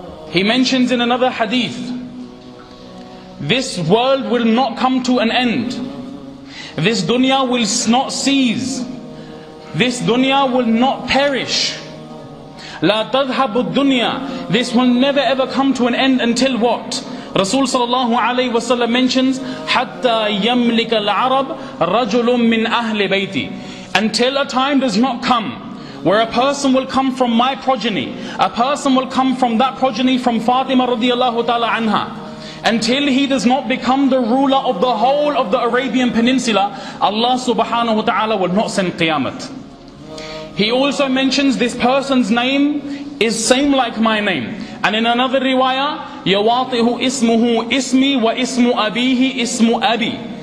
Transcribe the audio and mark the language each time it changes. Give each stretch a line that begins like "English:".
English: He mentions in another hadith, this world will not come to an end. This dunya will not cease. This dunya will not perish.
Arabic: لا تذهب الدنيا.
English: This will never ever come to an end until what?
Arabic: Rasul sallallahu alayhi wa sallam mentions, حتى يملك العرب رجل من أهل بيتي.
English: Until a time does not come where a person will come from my progeny, a person will come from that progeny, from Fatima radiallahu ta'ala anha. Until he does not become the ruler of the whole of the Arabian Peninsula, Allah subhanahu wa ta'ala will not send Qiyamah. He also mentions this person's name is same like my name. And in another riwayah,
Arabic: يَوَاطِهُ إِسْمُهُ إِسْمِي وَإِسْمُ أَبِيهِ إِسْمُ أَبِي.